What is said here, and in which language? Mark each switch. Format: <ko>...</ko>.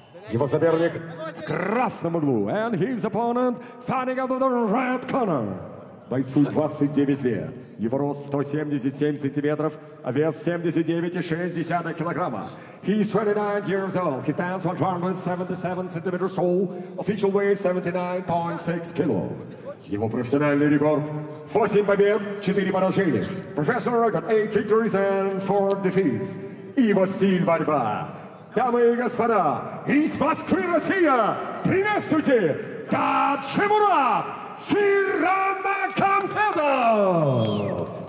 <ru>Его соперник в красном углу.</ru> <en>And his opponent fighting out of the red corner.</en> <ru>Бойцу 29 лет. Его рост 177 сантиметров, а вес 79,6 килограмма.</ru> <en>He is 29 years old. He stands 177 centimeters tall. Official weight 79.6 kilos.</en> <ru>Его профессиональный рекорд 8 побед, 4 поражения.</ru> <en>Professional record 8 victories and 4 defeats.</en> <ru>Его стиль борьба. Дамы и господа, из Москвы, Россия, приветствуйте Таджимурат Хирамакампетов!</ru>